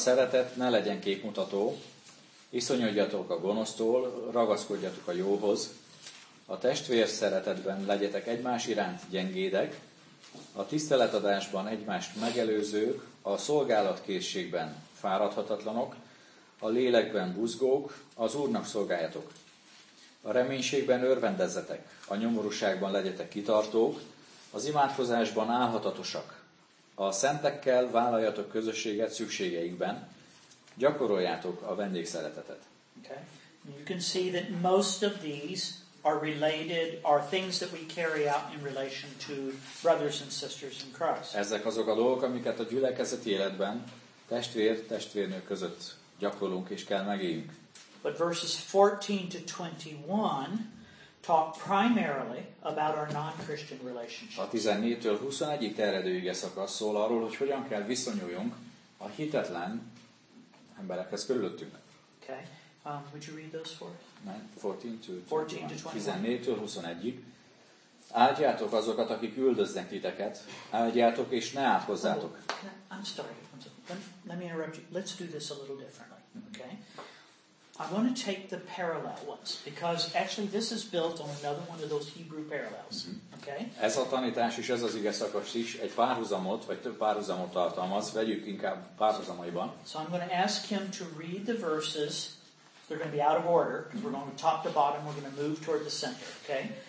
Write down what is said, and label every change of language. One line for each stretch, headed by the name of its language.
Hungarian: A szeretet ne legyen képmutató, iszonyodjatok a gonosztól, ragaszkodjatok a jóhoz, a testvér szeretetben legyetek egymás iránt gyengédek, a tiszteletadásban egymást megelőzők, a szolgálatkészségben fáradhatatlanok, a lélekben buzgók, az Úrnak szolgáljatok. A reménységben örvendezzetek, a nyomorúságban legyetek kitartók, az imádkozásban állhatatosak. A szentekkel vállaljatok közösséget szükségeikben, gyakoroljátok a vendégszeretetet.
English: Okay. You can see that most of these are related, are things that we carry out in relation to brothers and sisters in Christ.
Hungarian: Ezek azok a dolgok, amiket a gyülekezeti életben testvér, testvérnő között gyakorlunk és kell megéljünk.
English: But verses 14-21 talk primarily about our non-Christian relationships.
Hungarian: A 14-től 21-ig terjedő ige szakasz szól arról, hogy hogyan kell viszonyuljunk a hitetlen emberekhez körülöttünk.
English: Okay. Would you read those for us?
Hungarian: 14-től 21-ig. Áldjátok azokat, akik üldöznek titeket. Áldjátok és ne átkozzátok.
English: I'm sorry. Let me interrupt you. Let's do this a little differently. Okay. I want to take the parallel ones because actually this is built on another one of those Hebrew parallels. Okay?
Hungarian: Ez a tanítás is, ez az ige szakasz is egy párhuzamot, vagy több párhuzamot tartalmaz, vegyük inkább párhuzamaiban.
English: So I'm going to ask him to read the verses. They're going to be out of order because we're going from top to bottom, we're going to move toward the center, okay?